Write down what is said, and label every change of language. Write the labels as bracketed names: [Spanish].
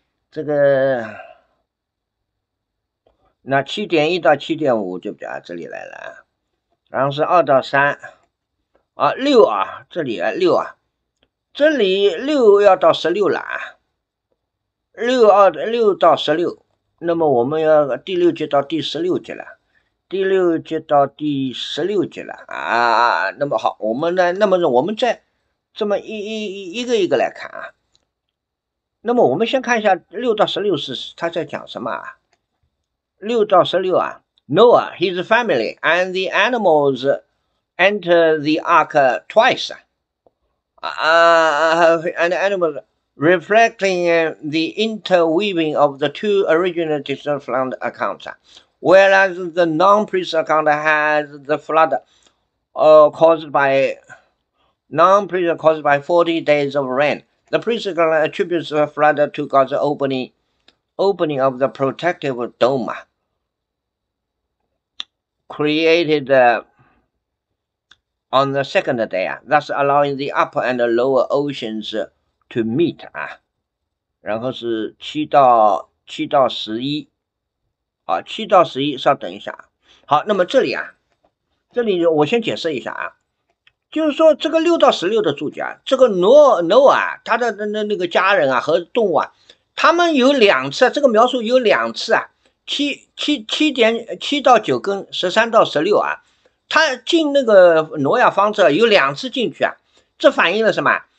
[Chinese] 这个，那7.1到7.5就表这里来了，然后是2到3，啊六啊，这里啊六啊，这里六要到16了啊，6到16，那么我们要第六节到第十六节了，第六节到第十六节了啊，那么好，我们呢，那么我们再这么一个来看啊。那么我们先看一下6到16是他在讲什么啊？ 6到16啊 [English] ，Noah, his family, and the animals enter the ark twice. And animals reflecting the interweaving of the two original distant flood accounts, whereas the non-priest account has the flood caused by 40 days of rain. The priest attributes the flood to God's opening of the protective dome created on the second day, thus allowing the upper and lower oceans to meet. [Chinese] 然后是7到11，啊，7到11，稍等一下。好，那么这里啊，这里我先解释一下啊。就是说这个6到16的注解啊，这个 Noah 他的那个家人啊和动物啊，他们有两次，这个描述有两次啊，7到9跟13到16啊，他进那个挪亚方舟有两次进去啊，这反映了什么？